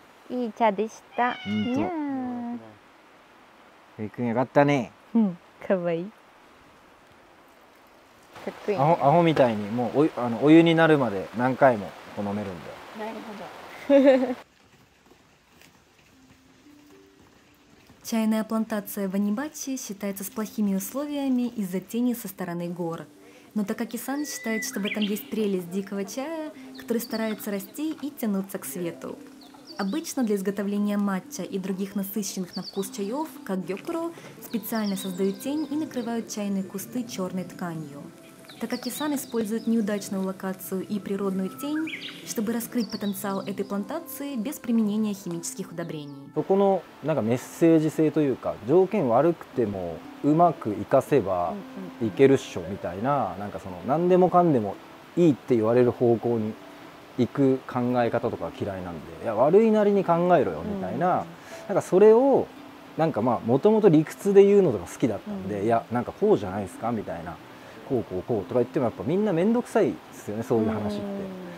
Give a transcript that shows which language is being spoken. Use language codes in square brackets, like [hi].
[ja] いい茶でした。本当。ヘイくんよかったね。うん、かわいい。かっこいい。アホみたいにもうお湯になるまで何回も飲めるんで。なるほど。 [ru] Чайная плантация в Анибачи считается с плохими условиями из-за тени со стороны гор. Но Такаки-сан считает, что в этом есть прелесть дикого чая, который старается расти и тянуться к свету. Обычно для изготовления матча и других насыщенных на вкус чаев, как гёкуро, специально создают тень и накрывают чайные кусты черной тканью. Такаки-сан использует неудачную локацию и природную тень, чтобы раскрыть потенциал этой плантации без применения химических удобрений. [ja] そこのなんかメッセージ性というか、条件悪くてもうまく活かせばいけるっしょみたいな、なんかその何でもかんでもいいって言われる方向に行く考え方とか嫌いなんで、いや悪いなりに考えろよみたいな、なんかそれをなんかまあ元々理屈で言うのとか好きだったんで、いやなんかこうじゃないですかみたいな、こうこうこうとか言ってもやっぱみんな面倒くさいですよね、そういう話って。